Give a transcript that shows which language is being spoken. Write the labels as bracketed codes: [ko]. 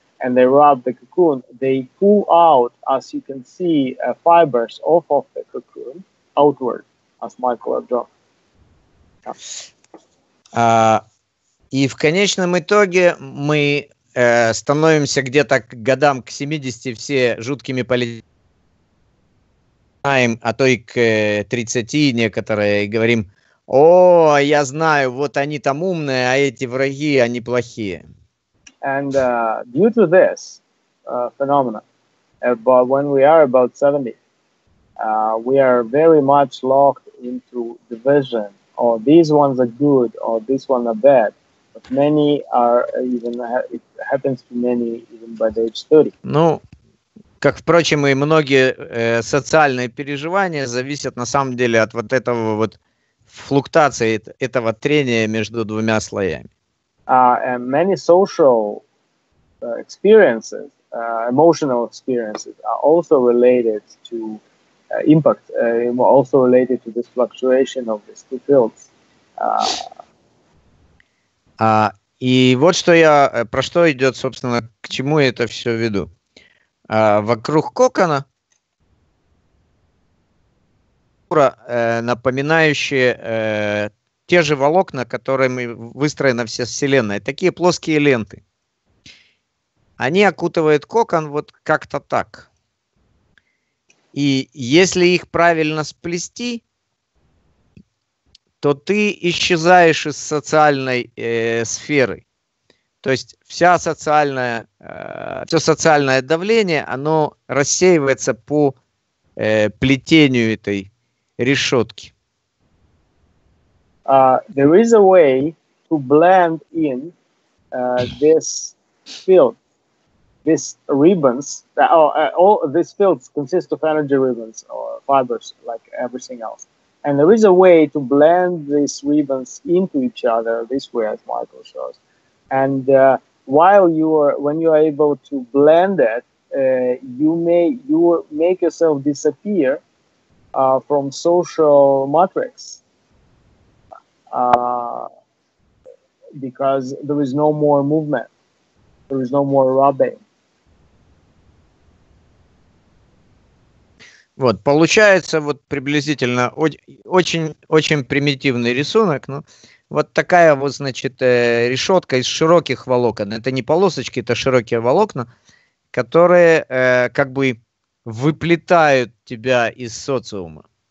[en] And they rub the cocoon, they pull out, as you can see, fibers off of the cocoon, outward, as Michael had drawn. [ru] И в конечном итоге мы становимся где-то к годам, к 70, все жуткими политиками, а то и к 30 некоторые, и говорим, о, я знаю, вот они там умные, а эти враги, они плохие. [en] And due to this phenomenon, but when we are about 70, we are very much locked into division, or these ones are good, or this one are bad. But many are even, it happens to many even by the age 30. [ru] Ну, как, впрочем, и многие социальные переживания зависят на самом деле от вот этого вот флуктации, этого трения между двумя слоями. [en] And many social experiences, emotional experiences, are also related to impact, also related to this fluctuation of these two fields. [ru] И вот что я, про что идет, собственно, к чему я это все веду. Вокруг кокона напоминающие те же волокна, которыми выстроена вся Вселенная. Такие плоские ленты. Они окутывают кокон вот как-то так. И если их правильно сплести, то ты исчезаешь из социальной сферы. То есть вся социальная, все социальное давление, оно рассеивается по плетению этой решетки. [en] There is a way to blend in this field, these ribbons, all these fields consist of energy ribbons or fibers, like everything else. And there is a way to blend these ribbons into each other this way, as Michael shows. And while you are, when you are able to blend it, you make yourself disappear from social matrix. Because there is no more movement, there is no more rubbing. [ru] Вот, получается вот приблизительно очень примитивный рисунок, но вот такая вот, значит, решетка из широких волокон. Это не полосочки, это широкие волокна, которые как бы выплетают тебя из социума.